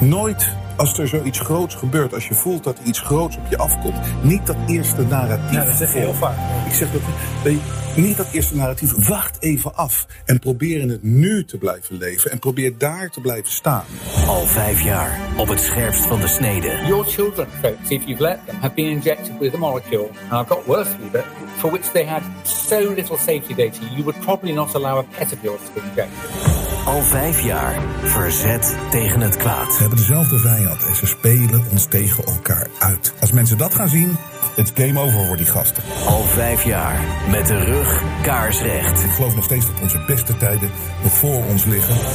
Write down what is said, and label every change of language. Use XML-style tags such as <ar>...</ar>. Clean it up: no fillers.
<nl>Nooit als er zoiets groots gebeurt, als je voelt dat iets groots op je afkomt. Niet dat eerste narratief. Ja, dat zeg je heel vaak. Ik zeg dat niet dat eerste narratief. Wacht even af en probeer in het nu te blijven leven. En probeer daar te blijven staan. Al 5 jaar op het scherpst van de snede.</nl> <en>Your children, folks, if you've let them, have been injected with a molecule. And I've got worse for you, but for which they had so little safety data. You would probably not allow a pet of yours to be injected.</en> <nl>Al 5 jaar verzet tegen het kwaad. We hebben dezelfde vijand en ze spelen ons tegen elkaar uit. Als mensen dat gaan zien,</nl> <en>it's game over</en> <nl>voor die gasten. Al 5 jaar met de rug kaarsrecht. Ik geloof nog steeds dat onze beste tijden nog voor ons liggen.</nl>